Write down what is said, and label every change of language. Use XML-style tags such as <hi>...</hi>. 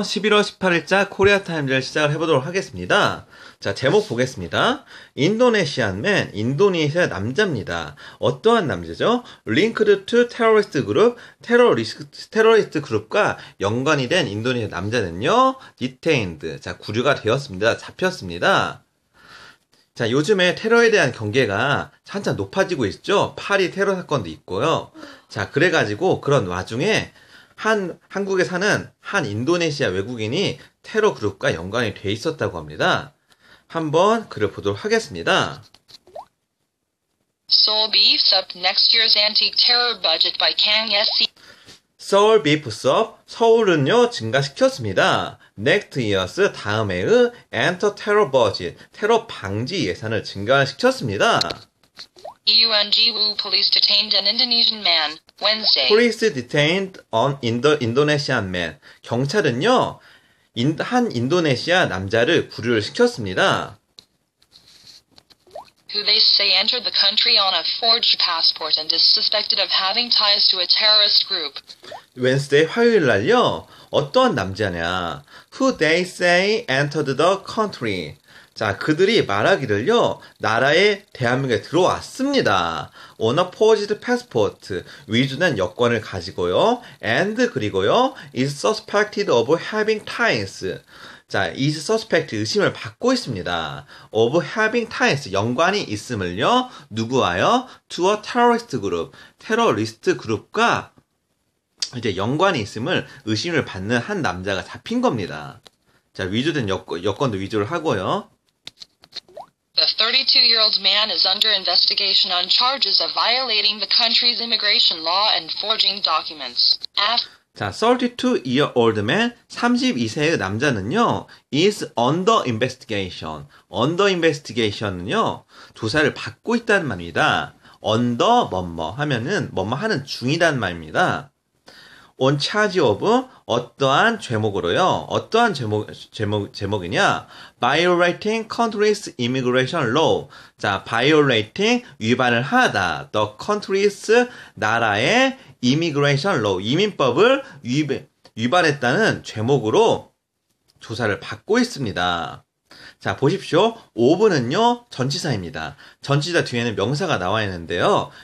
<ko>11월 18일자 코리아 타임즈를 시작을 해보도록 하겠습니다. 자, 제목 보겠습니다. 인도네시안 맨, 인도네시아 남자입니다. 어떠한 남자죠?</ko> <en>Linked to terrorist group, terrorist group과</en> <ko>연관이 된 인도네시아 남자는요,</ko> <en>detained.</en> <ko>자, 구류가 되었습니다. 잡혔습니다. 자, 요즘에 테러에 대한 경계가 한참 높아지고 있죠? 파리 테러 사건도 있고요. 자, 그래가지고 그런 와중에 한국에 사는 한 인도네시아 외국인이 테러 그룹과 연관이 돼 있었다고 합니다. 한번 그를 보도록 하겠습니다.</ko> <en>Seoul beefs up next year's anti-terror budget by Kang SC. Seoul beefs up.</en> <ko>서울은요, 증가시켰습니다.</ko> <en>Next year's</en> <ko>다음해의 엔터 테러 버짓, 테러 방지 예산을 증가시켰습니다.</ko> <en>EUN Jiwu police detained an Indonesian man Wednesday. Police detained on Indonesian man.</en> <ko>경찰은요, 한 인도네시아 남자를 구류를 시켰습니다.</ko> <en>Who they say entered the country on a forged passport and is suspected of having ties to a terrorist group.</en> <ko>Wednesday 화요일날요, 어떤 남자냐?</ko> <en>Who they say entered the country?</en> <ko>자, 그들이 말하기를요, 나라에 대한민국에 들어왔습니다.</ko> <en>On a forged passport,</en> <ko>위조된 여권을 가지고요,</ko> <en>and</en> <ko>그리고요,</ko> <en>is suspected of having ties.</en> <ko>자,</ko> <en>is suspect</en> <ko>의심을 받고 있습니다.</ko> <en>Of having ties,</en> <ko>연관이 있음을요, 누구와요?</ko> <en>To a terrorist group,</en> <ko>테러리스트 그룹과 이제 연관이 있음을 의심을 받는 한 남자가 잡힌 겁니다. 자, 위조된 여권도 위조를 하고요.</ko> <en>The 32-year-old man is under investigation on charges of violating the country's immigration law and forging documents. After 자, 32-year-old man,</en> <ko>32세의 남자는요,</ko> <en>is under investigation.</en> <ko>Under investigation은요, 조사를 받고 있다는 말입니다. Under, 뭐뭐 하면은, 뭐뭐 하는 중이라는 말입니다.</ko> <en>On charge of</en> <ko>어떠한 죄목으로요? 어떠한 제목이냐?</ko> <en>Violating country's immigration law.</en> <ko>자, violating 위반을 하다. The country's 나라의 immigration law 이민법을 위반했다는 죄목으로 조사를 받고 있습니다. 자, 보십시오. of는요, 전치사입니다. 전치사 뒤에는 명사가 나와 있는데요.</ko>